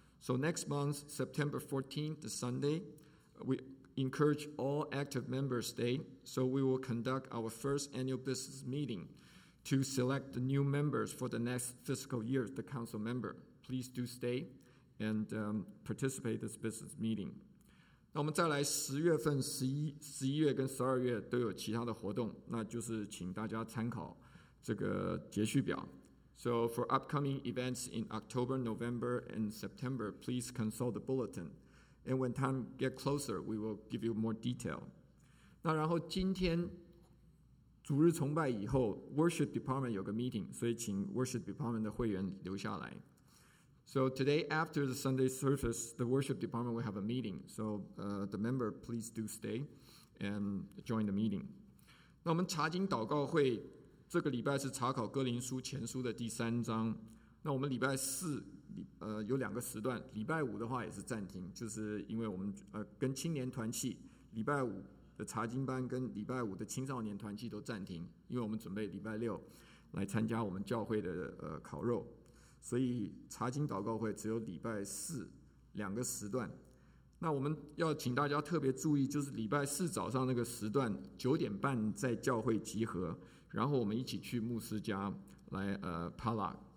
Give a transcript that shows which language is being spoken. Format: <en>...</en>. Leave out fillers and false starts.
<en>So next month, September 14th, the Sunday, we encourage all active members stay, so we will conduct our first annual business meeting to select the new members for the next fiscal year, the council member. Please do stay and participate in this business meeting.</en> <zh>那我们再来10月份、11月跟12月都有其他的活动，那就是请大家参考这个节序表。</zh> <en>So for upcoming events in October, November, and September, please consult the bulletin. And when time gets closer, we will give you more detail.</en> <zh>那然后今天主日崇拜以后, worship department 有个meeting, 所以请 worship department 的会员留下来。</zh> <en>So today after the Sunday service, the worship department will have a meeting. So the member, please do stay and join the meeting.</en> <zh>那我们查经祷告会, 这个礼拜是查考哥林书前书的第三章。那我们礼拜四, 有两个时段，礼拜五的话也是暂停，就是因为我们跟青年团契，礼拜五的查经班跟礼拜五的青少年团契都暂停，因为我们准备礼拜六来参加我们教会的烤肉，所以查经祷告会只有礼拜四两个时段。那我们要请大家特别注意，就是礼拜四早上那个时段9点半在教会集合，然后我们一起去牧师家来Palak。</zh>